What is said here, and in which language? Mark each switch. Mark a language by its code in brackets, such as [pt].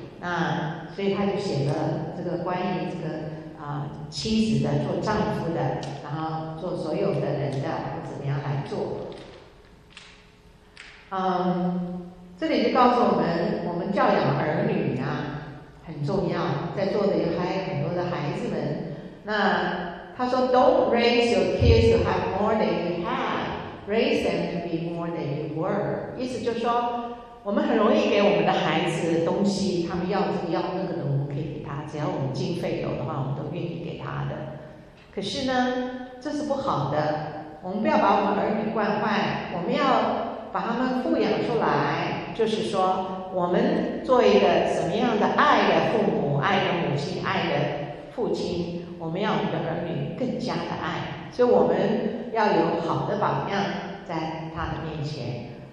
[zh] 那所以他就写了这个关于这个妻子的，做丈夫的，然后做所有的人的怎么样来做。这里就告诉我们，我们教养儿女啊很重要，在座的还有很多的孩子们。 [en] 那他说 Don't raise your kids to have more than you have, raise them to be more than you were. [zh] 意思就是说，我们很容易给我们的孩子东西，他们要这个要那个的，我们可以给他，只要我们经费有的话，我们都愿意给他的。可是呢，这是不好的，我们不要把我们儿女惯坏，我们要把他们富养出来，就是说我们做一个什么样的爱的父母，爱的母亲，爱的父亲，我们要我们的儿女更加的爱，所以我们要有好的榜样在他的面前。